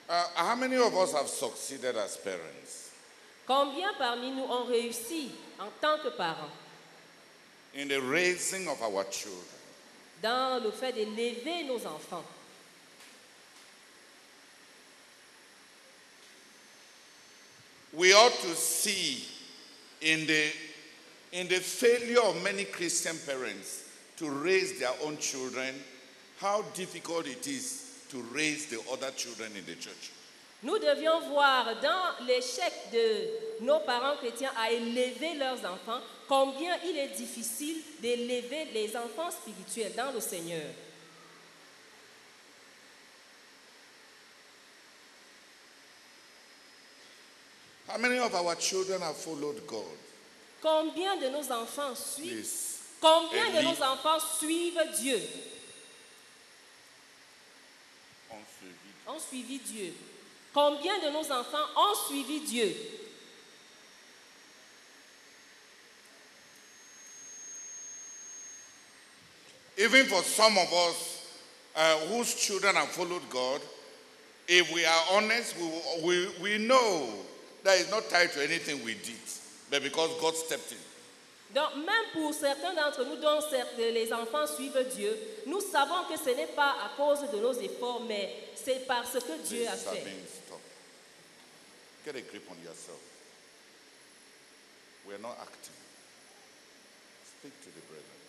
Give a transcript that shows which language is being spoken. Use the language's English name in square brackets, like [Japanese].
[English] How many of us have succeeded as parents? [French] Combien parmi nous ont réussi en tant que parents? [English] In the raising of our children. [French] Dans le fait d'élever nos enfants. [English] We ought to see in the failure of many Christian parents to raise their own children, how difficult it is to raise the other children in the church. [French] Nous devions voir dans l'échec de nos parents chrétiens à élever leurs enfants combien il est difficile d'élever les enfants spirituels dans le Seigneur. [English] How many of our children have followed God? [French] Combien de nos enfants suivent? Combien de nos enfants suivent Dieu? Ont suivi Dieu. Combien de nos enfants ont suivi Dieu? [English] Even for some of us whose children have followed God, if we are honest, we know that is not tied to anything we did, but because God stepped in. [French] Donc même pour certains d'entre nous dont certes les enfants suivent Dieu, nous savons que ce n'est pas à cause de nos efforts, mais c'est parce que Dieu a fait. [English] Get a grip on yourself. We are not acting. Speak to the brethren.